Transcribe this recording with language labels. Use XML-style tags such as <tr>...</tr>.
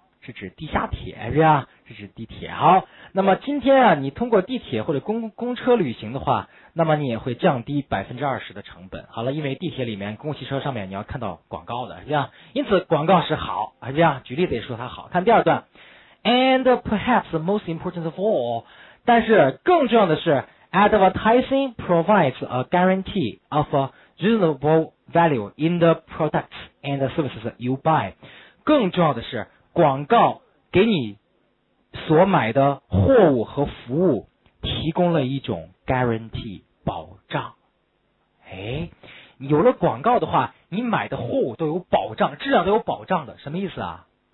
<zh>是指地下铁是这样？是指地铁。好，那么今天啊，你通过地铁或者公车旅行的话，那么你也会降低20%的成本。好了，因为地铁里面公共汽车上面你要看到广告的是这样，因此广告是好是这样。举例子也说它好。看第二段</zh> <en>，and perhaps most important of all，</en> <zh>但是更重要的是</zh> <en>，advertising provides a guarantee of a reasonable value in the products and the services you buy.</en> <zh>更重要的是，广告给你所买的货物和服务提供了一种 guarantee 保障。哎，有了广告的话，你买的货物都有保障，质量都有保障的，什么意思啊？</zh>